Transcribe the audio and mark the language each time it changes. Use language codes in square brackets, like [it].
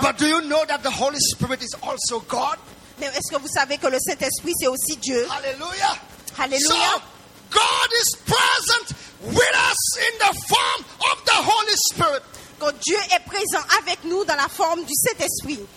[en] But do you know that the Holy Spirit is also God? [fr] Mais est-ce que vous savez que le Saint-Esprit c'est aussi Dieu? Alléluia. Alléluia. [en] So, God is present with us in the form of the Holy Spirit. [fr] Quand Dieu est présent avec nous dans la forme du Saint-Esprit.